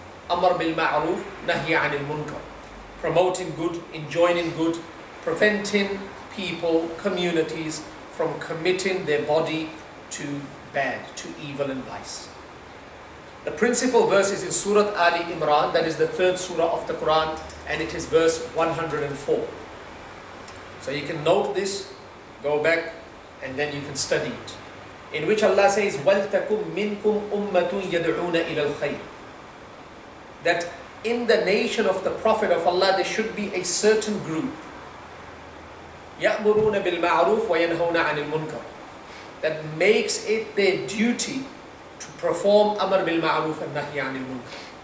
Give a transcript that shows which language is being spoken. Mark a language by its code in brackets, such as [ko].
[en] Amr bil ma'ruf, nahi anil munkar. Promoting good, enjoining good, preventing people, communities from committing their body to bad, to evil and vice. The principal verse is in Surah Ali Imran, that is the third surah of the Quran, and it is verse 104. So you can note this, go back, and then you can study it. In which Allah says, [ar] وَلْتَكُمْ مِنْكُمْ أُمَّةٌ يَدْعُونَ إِلَى الْخَيْرِ. [en] That in the nation of the Prophet of Allah, there should be a certain group. [ar] يَأْمُرُونَ بِالْمَعْرُوفِ وَيَنْهَوْنَ عَنِ الْمُنْكَرِ. [en] That makes it their duty to perform [ar] أَمَرْ بِالْمَعْرُوفِ وَنَهْيَ عَنِ الْمُنْكَرِ.